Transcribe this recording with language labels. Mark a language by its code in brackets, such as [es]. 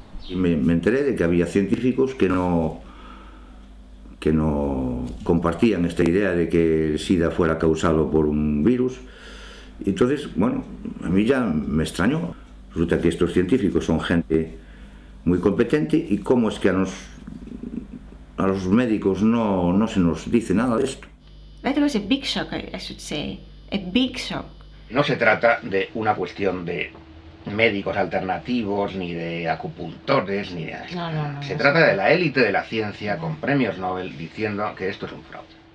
[es] Me enteré de que había científicos que no compartían esta idea de que el SIDA fuera causado por un virus. Entonces, bueno, a mí ya me extrañó. Resulta que estos científicos son gente muy competente y cómo es que a los médicos no se nos dice nada de esto. [en] That was a big shock, I should say. A big shock. [es] No se trata de una cuestión de médicos alternativos, ni de acupuntores, ni de esto. No, trata de la élite de la ciencia con premios Nobel diciendo que esto es un fraude.